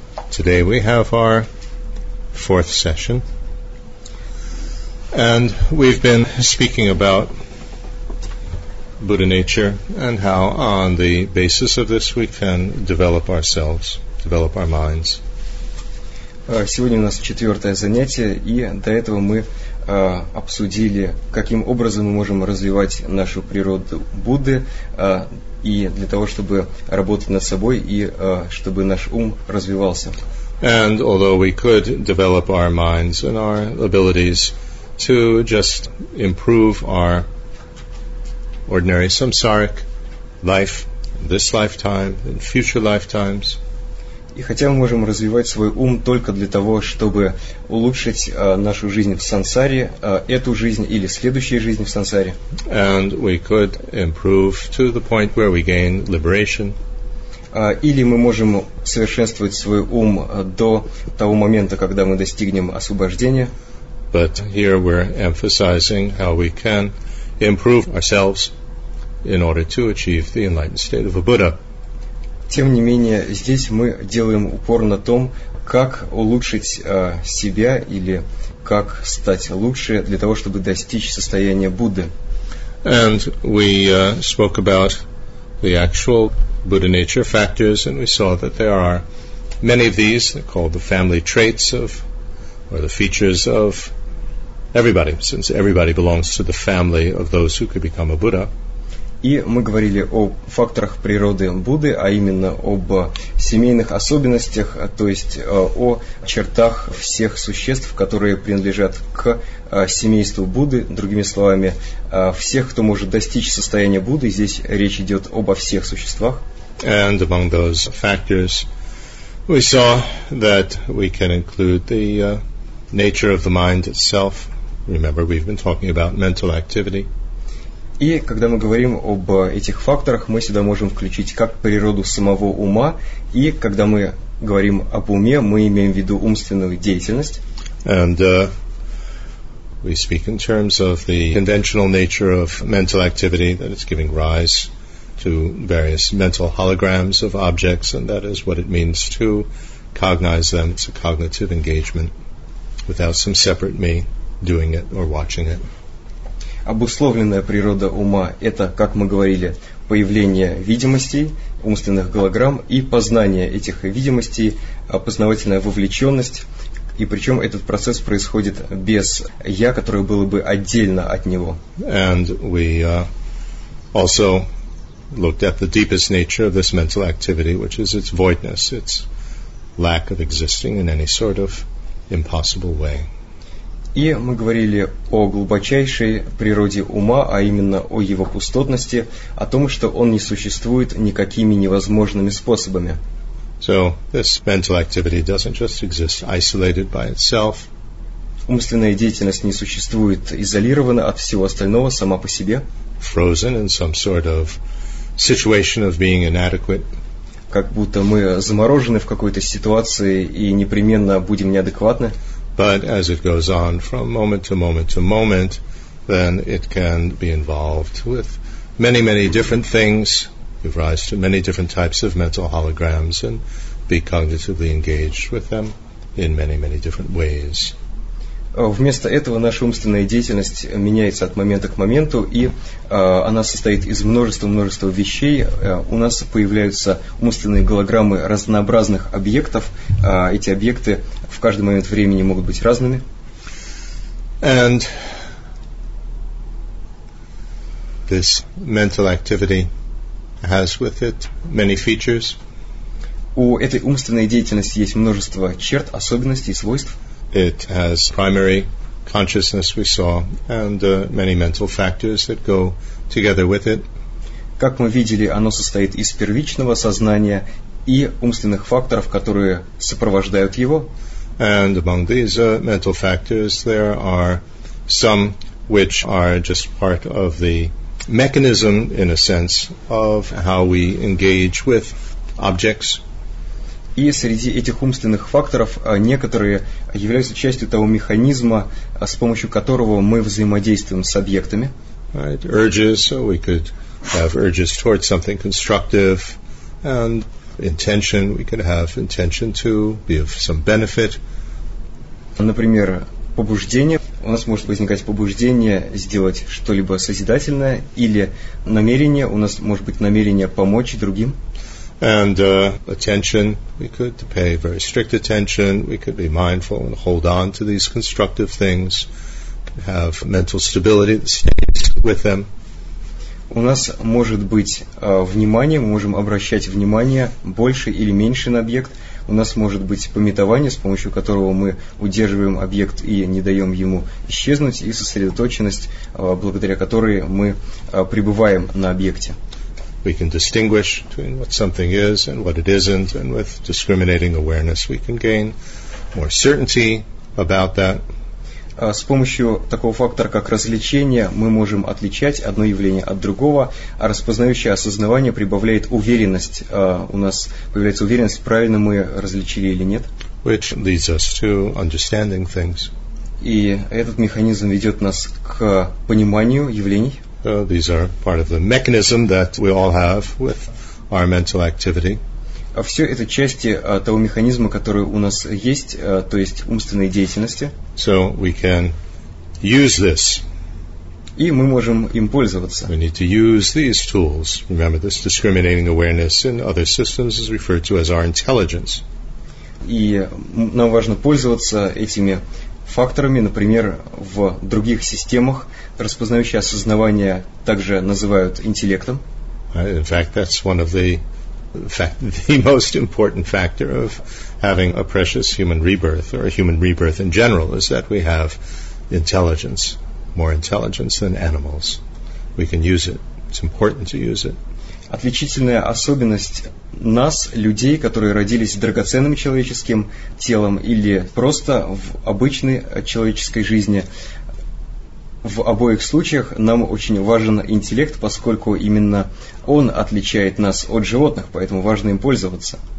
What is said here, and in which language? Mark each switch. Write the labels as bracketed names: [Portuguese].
[English] Today we have our fourth session, and we've been speaking about Buddha nature and how on the basis of this we can develop ourselves, develop our minds. [Russian] Сегодня у нас четвертое занятие, и до этого мы обсудили, каким образом мы можем развивать нашу природу Будды, и для того, чтобы работать над собой, и чтобы наш ум развивался. [English] And although we could develop our minds and our abilities to just improve our ordinary samsaric life, this lifetime and future lifetimes, [Russian] и хотя мы можем развивать свой ум только для того, чтобы улучшить нашу жизнь в сансаре, эту жизнь или следующую жизнь в сансаре. [English] And we could improve to the point where we gain liberation. [Russian] Или мы можем совершенствовать свой ум до того момента, когда мы достигнем освобождения. [English] But here we're emphasizing how we can improve ourselves in order to achieve the enlightened state of a Buddha. [Russian] Тем не менее, здесь мы делаем упор на том, как улучшить себя или как стать лучше для того, чтобы достичь состояния Будды. [English] And we spoke about the actual Buddha nature factors, and we saw that there are many of these called the family traits of, or the features of everybody, since everybody belongs to the family of those who could become a Buddha. [Russian] И мы говорили о факторах природы Будды, а именно об семейных особенностях, то есть о чертах всех существ, которые принадлежат к семейству Будды. Другими словами, всех, кто может достичь состояния Будды, здесь речь идет обо всех существах. [English] And among those factors, we saw that we can include the nature of the mind itself. Remember, we've been talking about mental activity. [Russian] И когда мы говорим об этих факторах, мы сюда можем включить как природу самого ума, и когда мы говорим об уме, мы имеем в виду умственную деятельность. [English] And we speak in terms of the conventional nature of mental activity, that it's giving rise to various mental holograms of objects, and that is what it means to cognize them. It's a cognitive engagement without some separate me doing it or watching it. [Russian] Обусловленная природа ума – это, как мы говорили, появление видимостей, умственных голограмм и познание этих видимостей, познавательная вовлеченность. И причем этот процесс происходит без «я», которое было бы отдельно от него. [English] And we also looked at the deepest nature of this mental activity, which is its voidness, its lack of existing in any sort of impossible way. [Russian] И мы говорили о глубочайшей природе ума, а именно о его пустотности, о том, что он не существует никакими невозможными способами. [English] So, this mental activity doesn't just exist isolated by itself. [Russian] Умственная деятельность не существует изолированно от всего остального сама по себе. [English] Frozen in some sort of situation of being inadequate. [Russian] Как будто мы заморожены в какой-то ситуации и непременно будем неадекватны. [English] But as it goes on from moment to moment to moment, then it can be involved with many, many different things, give rise to many different types of mental holograms, and be cognitively engaged with them in many, many different ways. [Russian] Вместо этого наша умственная деятельность меняется от момента к моменту, и она состоит из множества-множества вещей. У нас появляются умственные голограммы разнообразных объектов. Эти объекты в каждый момент времени могут быть разными. [English] And this mental activity has with it many features. [Russian] У этой умственной деятельности есть множество черт, особенностей, свойств. [English] It has primary consciousness, we saw, and many mental factors that go together with it. [Russian] Как мы видели, оно состоит из первичного сознания и умственных факторов, которые сопровождают его. [English] And among these mental factors, there are some which are just part of the mechanism, in a sense, of how we engage with objects. [Russian] И среди этих умственных факторов некоторые являются частью того механизма, с помощью которого мы взаимодействуем с объектами. [English] Right. Urges, so we could have urges towards something constructive, and intention. We could have intention to be of some benefit. [Russian] Например, побуждение. У нас может возникать побуждение сделать что-либо созидательное, или намерение. У нас может быть намерение помочь другим. [English] And attention, we could pay very strict attention, we could be mindful and hold on to these constructive things, have mental stability that stays with them. [Russian] У нас может быть внимание, мы можем обращать внимание больше или меньше на объект. У нас может быть памятование, с помощью которого мы удерживаем объект и не даем ему исчезнуть, и сосредоточенность, благодаря которой мы пребываем на объекте. [English] We can distinguish between what something is and what it isn't, and with discriminating awareness we can gain more certainty about that. [Russian] С помощью такого фактора, как развлечение, мы можем отличать одно явление от другого, а распознающее осознавание прибавляет уверенность. У нас появляется уверенность, правильно мы различили или нет. [English] Which leads us to understanding things. [Russian] И этот механизм ведет нас к пониманию явлений. [English] These are part of the mechanism that we all have with our mental activity. [Russian] Все это части того механизма, который у нас есть, то есть умственной деятельности. [English] So we can use this. [Russian] И мы можем им пользоваться. [English] We need to use these tools. Remember, this discriminating awareness in other systems is referred to as our intelligence. [Russian] И нам важно пользоваться этими факторами, например, в других системах распознающее осознавание также называют интеллектом. [English] In fact, that's one of the most important factor of having a precious human rebirth or a human rebirth in general is that we have intelligence, more intelligence than animals. We can use it. It's important to use it. [Russian] Отличительная особенность нас, людей, которые родились драгоценным человеческим телом или просто в обычной человеческой жизни, в обоих случаях нам очень важен интеллект, поскольку именно он отличает нас от животных, поэтому важно им пользоваться.